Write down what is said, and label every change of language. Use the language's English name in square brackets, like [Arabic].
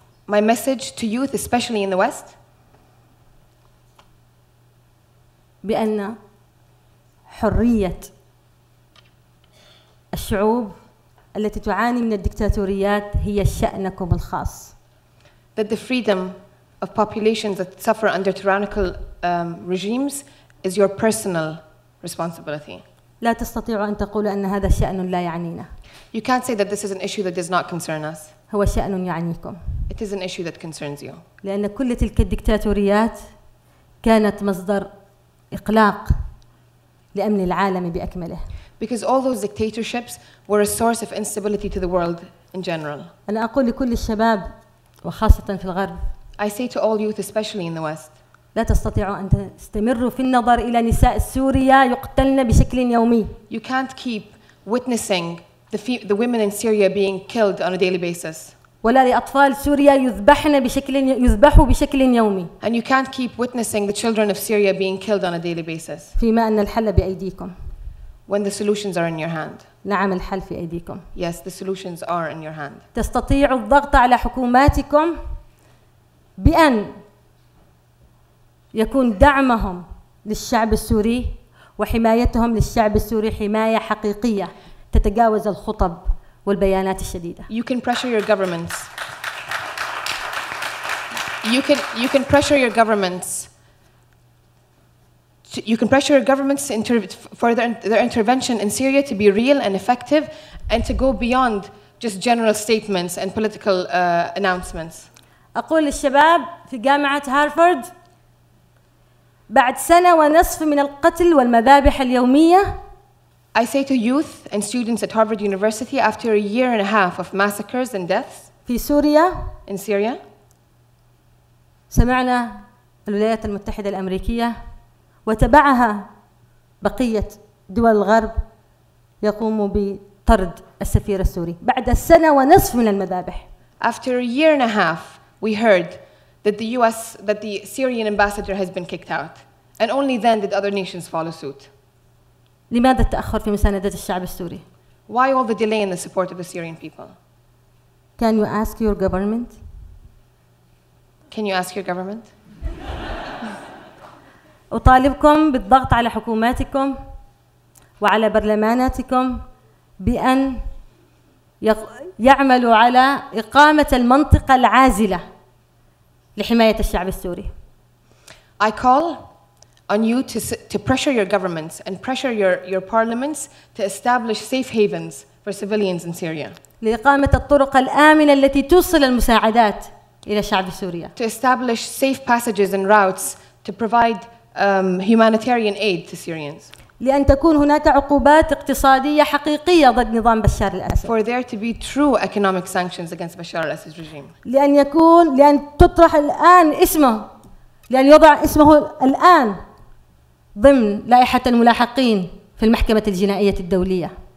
[English] My message to youth, especially in the West. [Arabic] بأن حرية الشعوب التي تعاني من الدكتاتوريات هي شأنكم الخاص. [English] That the freedom of populations that suffer under tyrannical regimes is your personal responsibility. [Arabic] لا تستطيع أن تقول أن هذا شأن لا يعنينا. [English] You can't say that this is an issue that does not concern us. [Arabic] هو شأن يعنيكم. [English] It is an issue that concerns you. [Arabic] لأن كل تلك الدكتاتوريات كانت مصدر إقلاق لأمن العالم بأكمله. [English] Because all those dictatorships were a source of instability to the world in general. [Arabic] أنا أقول لكل الشباب وخاصة في الغرب. [English] I say to all youth, especially in the West. [Arabic] لا تستطيعوا أن تستمروا في النظر إلى نساء سوريا يقتلن بشكل يومي. [English] You can't keep witnessing the women in Syria being killed on a daily basis. [Arabic] ولا لأطفال سوريا يذبحوا بشكل يومي. [English] And you can't keep witnessing the children of Syria being killed on a daily basis. [Arabic] فيما أن الحل بأيديكم. [English] When the solutions are in your hand. [Arabic] نعم الحل في أيديكم. [English] Yes, the solutions are in your hand. [Arabic] تستطيعوا الضغط على حكوماتكم بأن يكون دعمهم للشعب السوري وحمايتهم للشعب السوري حماية حقيقية تتجاوز الخطب والبيانات الشديدة. [English] You can pressure your governments. You can pressure your governments. You can pressure your governments for their intervention in Syria to be real and effective and to go beyond just general statements and political announcements. [Arabic] أقول للشباب في جامعة هارفارد بعد سنة ونصف من القتل والمذابح اليومية. [English] I say to youth and students at Harvard University after a year and a half of massacres and deaths [Arabic] في سوريا. [English] In Syria. [Arabic] سمعنا الولايات المتحدة الأمريكية وتبعها بقية دول الغرب يقوم بطرد السفير السوري بعد سنة ونصف من المذابح. [English] After a year and a half, we heard that the U.S. that the Syrian ambassador has been kicked out, and only then did other nations follow suit. [Arabic] لماذا التأخر في مساندة الشعب السوري؟ [English] Why all the delay in the support of the Syrian people? Can you ask your government? Can you ask your government? [Arabic] أطالبكم بالضغط على حكوماتكم وعلى برلماناتكم بأن يعملوا على إقامة المنطقة العازلة لحماية الشعب السوري. [English] I call on you to pressure your governments and pressure your parliaments to establish safe havens for civilians in Syria. [Arabic] لإقامة الطرق الآمنة التي توصل المساعدات إلى شعب سوريا. [English] To establish safe passages and routes to provide humanitarian aid to Syrians. [Arabic] لأن تكون هناك عقوبات اقتصادية حقيقية ضد نظام بشار الأسد. [English] For there to be true economic sanctions against Bashar al-Assad's regime. [Arabic] لأن تطرح الآن اسمه، لأن يضع اسمه الآن ضمن لائحة الملاحقين في المحكمة الجنائية الدولية.